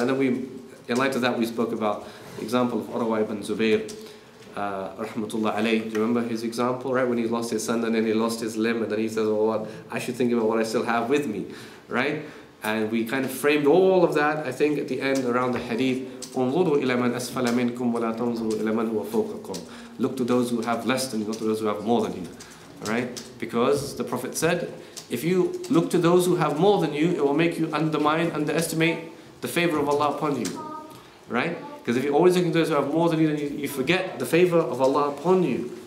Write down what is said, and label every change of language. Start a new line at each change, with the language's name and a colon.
English: And then we, in light of that, we spoke about the example of Urwa ibn Zubayr, rahmatullah alayh. Do you remember his example, right? When he lost his son and then he lost his limb, and then he says, oh, I should think about what I still have with me, right? And we kind of framed all of that, I think, at the end around the hadith.
Arabic: انظروا إلى من أسفل منكم ولا تنظروا إلى من هو فوقكم.
English: Look to those who have less than you, not to those who have more than you. Right? Because the Prophet said, if you look to those who have more than you, it will make you undermine, underestimate the favor of Allah upon you. Right? Because if you're always looking to those who have more than you, then you forget the favor of Allah upon you.